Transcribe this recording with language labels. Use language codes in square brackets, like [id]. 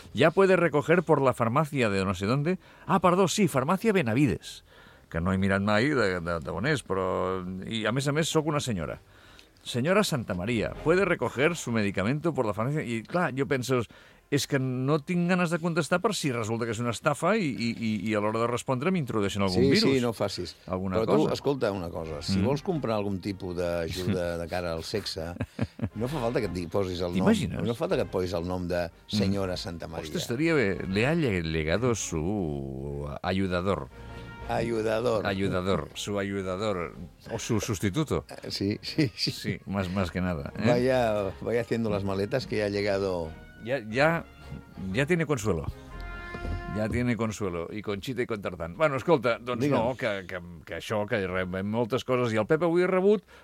[es] Ja puedes recoger por la farmacia de no sé dónde. [ca] Ah, perdó, sí, farmacia Benavides, que no he mirat mai de on és, però... I, a més, sóc una senyora. Senyora Santa Maria, [es] ¿puede recoger su medicamento por la farmacia? [ca] I, clar, jo penso, és que no tinc ganes de contestar per si resulta que és una estafa i a l'hora de respondre m'introdueixen algun virus. Sí, no ho facis. Alguna però cosa? Tu, escolta una cosa, si vols comprar algun tipus d'ajuda de cara al sexe, no fa falta que et posis el nom. T'imagines? No fa falta que et posis el nom de senyora Santa Maria. Ostres, estaria bé. [es] Le ha llegado su ayudador. Ayudador. Su ayudador. O su sustituto. Sí. Más que nada. ¿Eh? Vaya haciendo las maletas que ya ha llegado... Ya tiene consuelo. Ja tiene consuelo, i con chita i con tartan. [ca] Bueno, escolta, doncs digue'm. No, que això, que rebem moltes coses, i el Pep avui ha rebut